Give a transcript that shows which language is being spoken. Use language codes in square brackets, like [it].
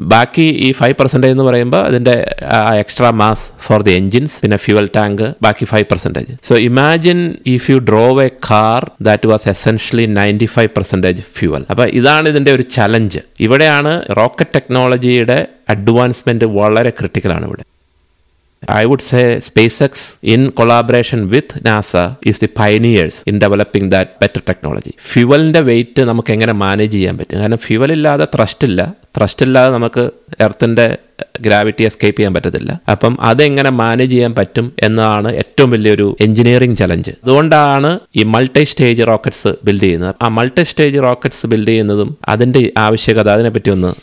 [ml] ബാക്കി ഈ 5% എന്ന് പറയുമ്പോൾ അതിന്റെ [en] extra mass for the engines, [ml] പിന്നെ ഫ്യുവൽ ടാങ്ക്, ബാക്കി 5%. [en] So imagine if you drove a car that was essentially 95% fuel. [ml] അപ്പൊ ഇതാണ് ഇതിന്റെ ഒരു ചലഞ്ച്. ഇവിടെയാണ് റോക്കറ്റ് ടെക്നോളജിയുടെ അഡ്വാൻസ്മെന്റ് വളരെ ക്രിട്ടിക്കൽ ആണ് ഇവിടെ. [en] I would say SpaceX in collaboration with NASA is the pioneers in developing that better technology. [ml] Fuel-ന്റെ weight നമുക്ക് എങ്ങനെ മാനേജ് ചെയ്യാൻ പറ്റും? കാരണം ഫ്യുവൽ ഇല്ലാതെ ത്രസ്റ്റ് ഇല്ല, ത്രസ്റ്റ് ഇല്ലാതെ നമുക്ക് എർത്തിന്റെ ഗ്രാവിറ്റി എസ്കേപ്പ് ചെയ്യാൻ പറ്റത്തില്ല. അപ്പം അതെങ്ങനെ മാനേജ് ചെയ്യാൻ പറ്റും എന്നതാണ് ഏറ്റവും വലിയൊരു എഞ്ചിനീയറിംഗ് ചലഞ്ച്. അതുകൊണ്ടാണ് ഈ മൾട്ടി സ്റ്റേജ് റോക്കറ്റ്സ് ബിൽഡ് ചെയ്യുന്നത്. ആ മൾട്ടി സ്റ്റേജ് റോക്കറ്റ്സ് ബിൽഡ് ചെയ്യുന്നതും അതിന്റെ ആവശ്യകത, അതിനെ പറ്റി ഒന്ന്.